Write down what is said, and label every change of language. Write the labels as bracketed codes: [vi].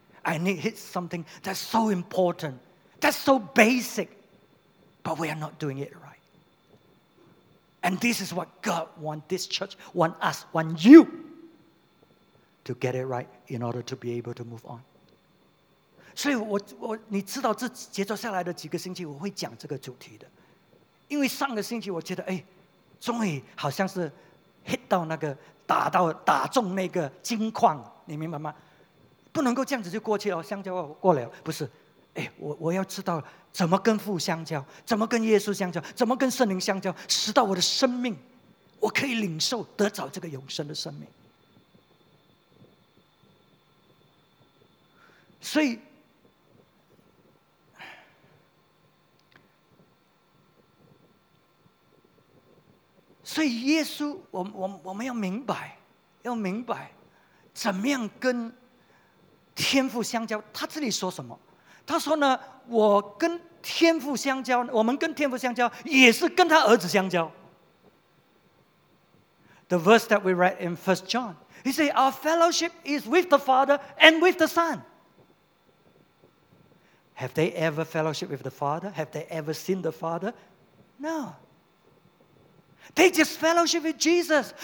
[en] I hit something that's so important, that's so basic, but we are not doing it right. And this is what God wants this church, wants us, wants you to get it right in order to be able to move on. [zh] 所以我你知道这接着下来的几个星期我会讲这个主题的，因为上个星期我觉得终于好像是 hit 到那个打中那个金矿，你明白吗？不能够这样子就过去了，相交过了，不是，我要知道怎么跟父相交，怎么跟耶稣相交，怎么跟圣灵相交，使到我的生命我可以领受得着这个永生的生命。所以耶稣，我们要明白怎么样跟天父相交。他这里说什么？他说呢，我跟天父相交，我们跟天父相交也是跟他儿子相交。 [en] The verse that we read in 1 John, he said our fellowship is with the Father and with the Son. Have they ever fellowship with the Father? Have they ever seen the Father? No. They just fellowship with Jesus.